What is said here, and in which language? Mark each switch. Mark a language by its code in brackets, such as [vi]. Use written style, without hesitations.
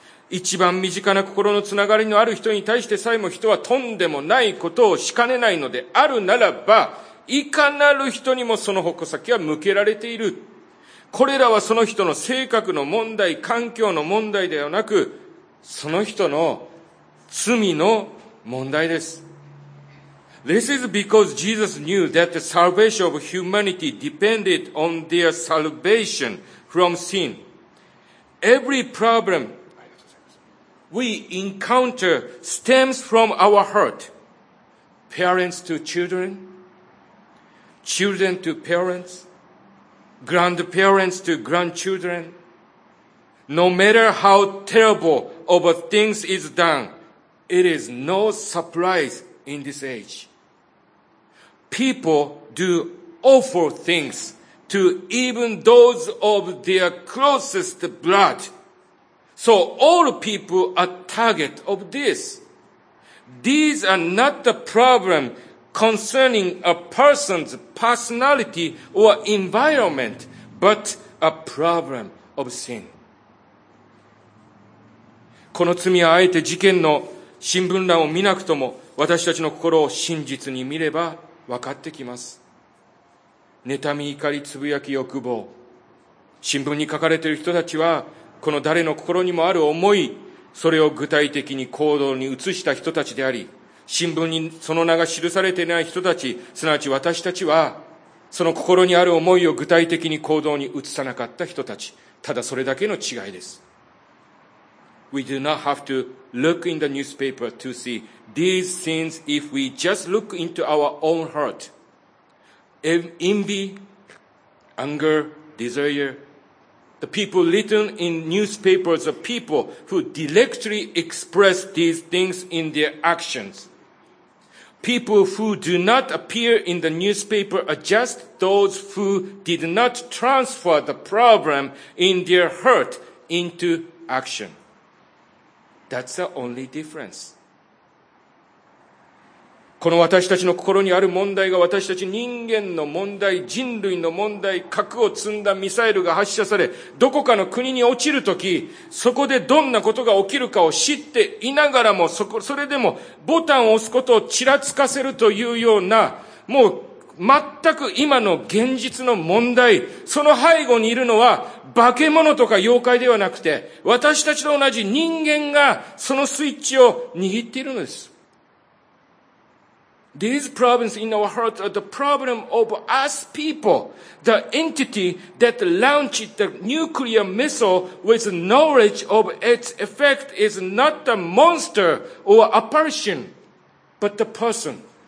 [ja] 一番身近な心のつながりのある人に対してさえも人はとんでもないことをしかねないのであるならば、いかなる人にもその矛先は向けられている。これらはその人の性格の問題、環境の問題ではなく、その人の罪の問題です。 [en] This is because Jesus knew that the salvation of humanity depended on their salvation from sin. Every problem we encounter stems from our heart. Parents to children, children to parents, grandparents to grandchildren, No matter how terrible of things is done, it is no surprise in this age. People do awful things to even those of their closest blood. So all people are target of this. These are not the problem concerning a person's personality or environment, but a problem of sin. [ja] この罪はあえて事件の新聞欄を見なくとも、私たちの心を真実に見れば分かってきます。妬み、怒り、つぶやき、欲望。新聞に書かれている人たちは、この誰の心にもある思い、それを具体的に行動に移した人たちであり、新聞にその名が記されていない人たち、すなわち私たちは、その心にある思いを具体的に行動に移さなかった人たち、ただそれだけの違いです。 [en] We do not have to look in the newspaper to see these sins if we just look into our own heart. Envy, anger, desire. The people written in newspapers are people who directly express these things in their actions. People who do not appear in the newspaper are just those who did not transfer the problem in their heart into action. That's the only difference. [ja] この私たちの心にある問題が私たち人間の問題、人類の問題、核を積んだミサイルが発射され、どこかの国に落ちるとき、そこでどんなことが起きるかを知っていながらも、それでもボタンを押すことをちらつかせるというような、もう全く今の現実の問題、その背後にいるのは、化け物とか妖怪ではなくて、私たちと同じ人間がそのスイッチを握っているのです。 [en] These problems in our heart are the problem of us people, the entity that launched the nuclear missile with knowledge of its effect is not the monster or apparition, but the person.